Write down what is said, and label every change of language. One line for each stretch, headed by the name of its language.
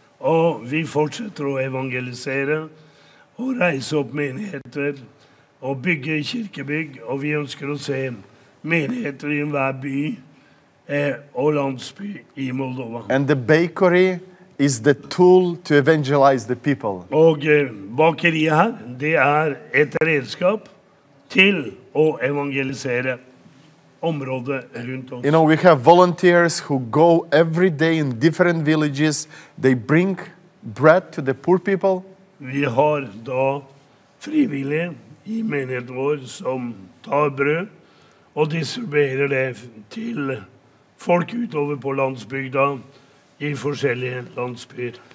Norwegian: Og vi fortsetter å evangelisere og reise opp menigheter og bygge kirkebygg. Og vi ønsker å se menigheter i hver by og landsby i Moldova.
English: And the bakery is the tool to evangelize the people.
Norwegian: Og bakeriet her, det et redskap til å evangelisere området rundt oss.
English: You know, we have volunteers who go every day in different villages. They bring bread to the poor people.
Norwegian: Vi har da frivillige i menigheten vår som tar brød og distribuerer det til folk utover på landsbygda i forskjellige landsbyer.